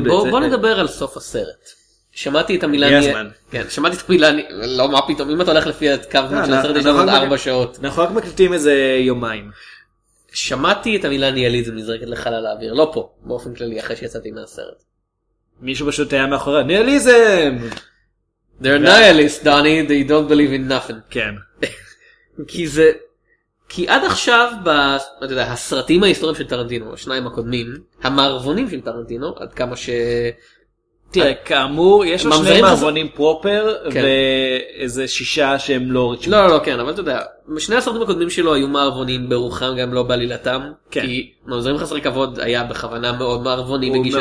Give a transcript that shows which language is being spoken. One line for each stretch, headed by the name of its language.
Hebrew: בוא נדבר על סוף הסרט. שמעתי את המילה. יהיה זמן. כן, שמעתי את המילה. לא, מה פתאום? אם אתה הולך לפי הקו של הסרט, יש לנו עוד 4 שעות. אנחנו רק מקליטים איזה יומיים. שמעתי את המילה ניאליזם נזרקת לחלל האוויר. לא פה, באופן כללי, אחרי שיצאתי מהסרט. מישהו פשוט היה מאחורי. ניאליזם!
English: They're nihilists, Donny. They don't believe in nothing.
Hebrew: כן. כי זה... כי עד עכשיו, אתה יודע, הסרטים ההיסטוריים של טרנטינו, השניים הקודמים, המערבונים של טרנטינו, עד כמה ש... תראה, כאמור, יש לו שני מערבונים פרופר, ואיזה שישה שהם לא רצ'ים. לא, כן, אבל אתה יודע, שני הסרטים הקודמים שלו היו מערבונים ברוחם, גם לא בעלילתם, כי מעוזרים חסרי כבוד היה בכוונה מאוד מערבוני בגישתו.